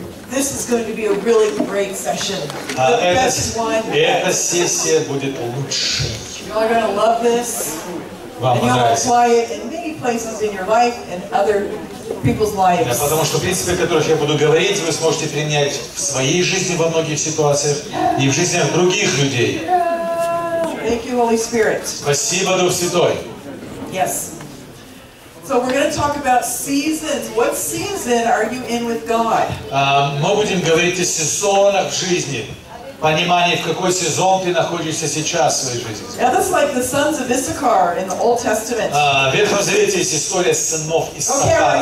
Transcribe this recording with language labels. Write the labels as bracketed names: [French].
[English] This is going to be a really great session. The best one. [Russian] Эта сессия будет лучшей. [English] You're going to love this. [Russian] Вам [English] and you'll apply it in many places in your life and other people's lives. [Russian] Да, потому что принципы, о которых я буду говорить, вы сможете принять в своей жизни во многих ситуациях и в жизнях других людей. [English] Thank you, Holy Spirit. [Russian] Спасибо, Дух Святой. [English] Yes. So we're going to talk about seasons. What season are you in with God? [Russian] Мы будем говорить о сезонах жизни. Понимание, в какой сезон ты находишься сейчас в своей жизни. [English] Now that's like the sons of Issachar in the Old Testament. [Russian] Ветхом Завете есть история сынов Иссахара.